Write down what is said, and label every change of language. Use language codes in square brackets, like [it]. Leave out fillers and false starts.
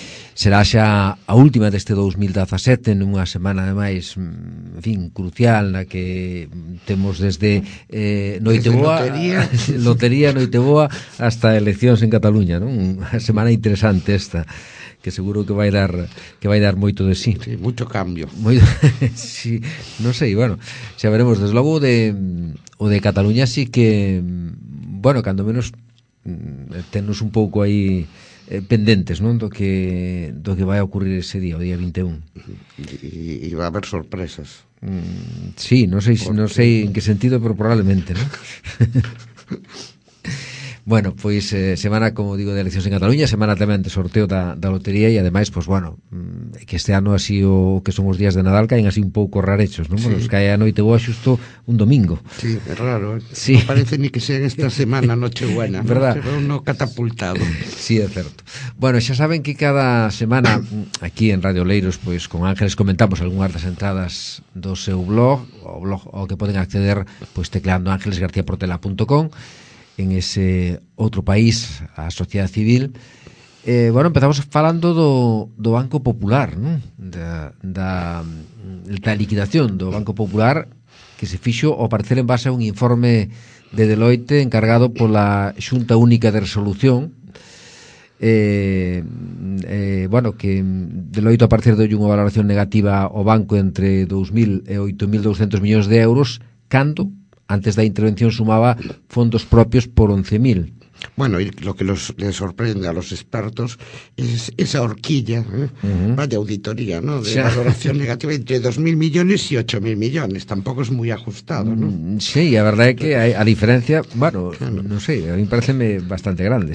[gl] Será xa a última deste 2017, nunha semana ademais, en fin, crucial, na que temos desde Noiteboa, lotería Noiteboa, hasta eleccións en Cataluña, non? Unha semana interesante esta, que seguro que vai dar moito de sí. Sí, moito cambio. Sí, non sei, bueno, xa veremos. Desde logo de o de Cataluña sí que, bueno, cando menos tenos un pouco aí pendentes, non, do que vai a ocurrir ese día, o día 21. E vai haber sorpresas. Sí, non sei, porque... non sei en que sentido, pero probablemente, non? Bueno, pois semana, como digo, de eleccións en Cataluña, semana tamén de sorteo da lotería e ademais, pois bueno, que este ano así o que son os días de Nadal caen así un pouco rarechos, non? Sí. Os cae a noite boa xusto un domingo. Sí, é raro. Sí. Non parece [es] ni que sea [gl] esta semana Nochebuena, non? [es] ¿Verdad? Se ve uno catapultado. [gl] Sí, é certo. Bueno, xa saben que cada semana aquí en Radio Leiros, pois con Ángeles comentamos algunhas das entradas do seu blog, o blog ao que poden acceder pois tecleando angelesgarciaportela.com. En ese outro país, a sociedade civil. Bueno, empezamos falando do Banco Popular, ¿no? da liquidación do Banco Popular, que se fixo ao parecer en base a un informe de Deloitte encargado pola Xunta Única de Resolución. Bueno, que Deloitte ao parecer doulle unha valoración negativa ao banco entre 2.000 e 8.200 millóns de euros, cando antes da intervención sumaba fondos propios por 11.000. [es] Bueno, y lo que le sorprende a los expertos es esa horquilla, uh-huh, va de auditoría, ¿no? De, o sea, valoración negativa entre 2.000 millones y 8.000 millones. Tampoco es muy ajustado, ¿no? Sí, la verdad es que a diferencia, bueno, claro, no sé, a mí parece bastante grande.